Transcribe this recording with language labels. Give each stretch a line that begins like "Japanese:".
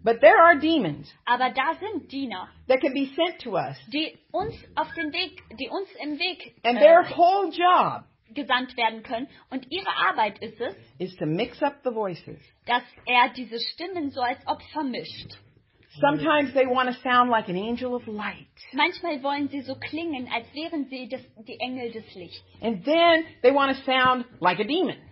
English: But there are demons.
German: Aber da sind Diener.
English: That can be sent to us.
German: Die uns auf den Weg, die uns im Weg
English: and their whole job
German: gesandt werden können. Und ihre Arbeit ist es,
English: is to mix up the voices.
German: Dass er diese Stimmen so als ob vermischt.
English: Sometimes they want to sound like an angel of light.
German: Manchmal wollen sie so klingen, als wären sie die Engel des Lichts.
English: And then they want to sound like a demon.